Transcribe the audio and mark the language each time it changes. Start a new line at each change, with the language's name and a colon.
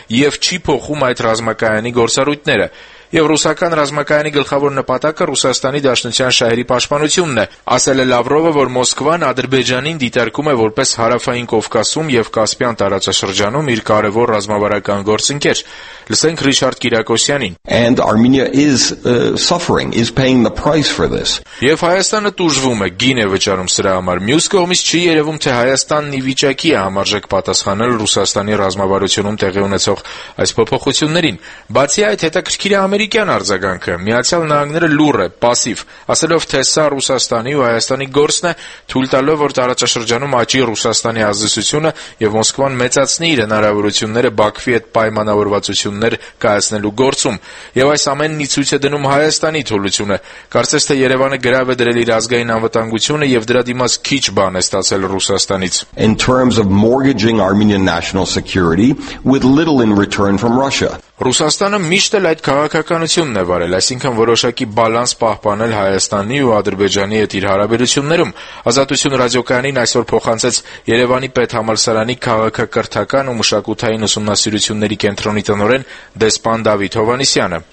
Armenian: և չի փոխում այդ ռազմակայանի գործառույթները։ Եվ ռուսական ռազմակայանի գլխավոր նպատակը Ռուսաստանի Դաշնության շահերի պաշտպանությունն է, ասել է Լավրովը, որ Մոսկվան Ադրբեջանին դիտարկում է որպես հարավային Կովկասում և Կասպյան տարածաշրջանում իր կարևոր ռազմավարական գործընկեր։ Լսենք Ռիչարդ Կիրակոսյանին.
English: And Armenia is suffering, is paying the price for this.
Armenian: Եվ Հայաստանը տուժվում է, գին է վճարում սրա համար։ Մյուս կողմից չի երևում, թե Հայաստանն ի վիճակի է համարժեք պատասխանել Ռուսաստանի ռազմավարությունում տեղի ունեցող այս փոփոխություններին։ Բացի այդ, հետաքրքիր է ամերիկյան արձագանքը։ Միացյալ Նահանգները լուռ է, պասիվ, ասելով, թե սա Ռուսաստանի ու Հայաստանի գործն է, թույլ տալով, որ տարածաշրջանում աճի Ռուսաստանի ազդեցությունը և Մոսկվան մեծացնի իր հնարավորությունները Բաքվի հետ պայմանավորվածություններ կայացնելու գործում, և այս ամենն ի ցույց է դնում Հայաստանի թուլությունը։ Կարծես թե Երևանը գրավ է դրել իր ազգային անվտանգությունը և դրա դիմաց քիչ բան է ստացել Ռուսաստանից։
English: In terms of mortgaging Armenian national security with little in return from Russia.
Armenian: Ռուսաստանը միշտ էլ այդ քաղաքականությունն է վարել, այսինքն որոշակի բալանս պահպանել Հայաստանի ու Ադրբեջանի հետ իր հարաբերություններում։ Ազատություն ռադիոկայանին այսօր փոխանցեց Երևանի պետհամալսարանի քաղաքակրթական ու մշակութային ուսումնասիրությունների կենտրոնի տնօրեն դեսպան Դավիթ Հովանիսյանը։